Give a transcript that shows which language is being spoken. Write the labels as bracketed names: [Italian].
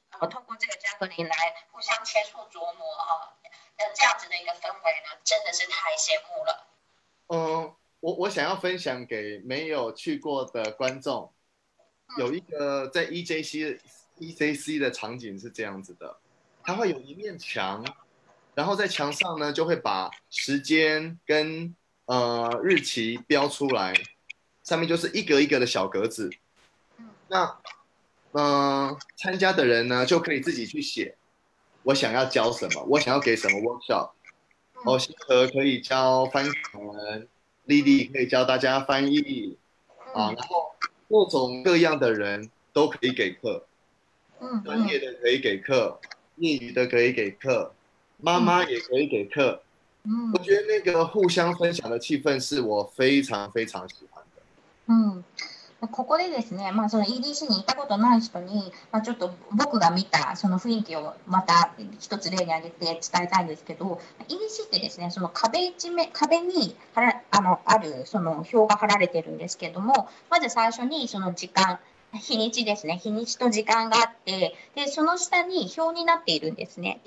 [Chinese] 通过这个 juggling 来互相切磋琢磨哈，那这样子的一个氛围呢，真的是太羡慕了。我想要分享给没有去过的观众，有一个在 EJC 的场景是这样子的，它会有一面墙，然后在墙上呢就会把时间跟日期标出来，上面就是一格一格的小格子，那。参加的人呢就可以自己去写我想要教什么，我想要给什么 workshop。星河可以教翻译，莉莉可以教大家翻译。然后各种各样的人都可以给课。专业的可以给课，业余的可以给课，妈妈也可以给课。我觉得那个互相分享的气氛是我非常非常喜欢的。 [Japanese] ここでですね、まあ、その EDC に行ったことない人に、まあ、ちょっと僕が見たその雰囲気をまた一つ例に挙げて伝えたいんですけど、EDC ってですね、その壁に あるその表が貼られてるんですけども、まず最初にその時間、日にちですね、日にちと時間があって、で、その下に表になっているんですね。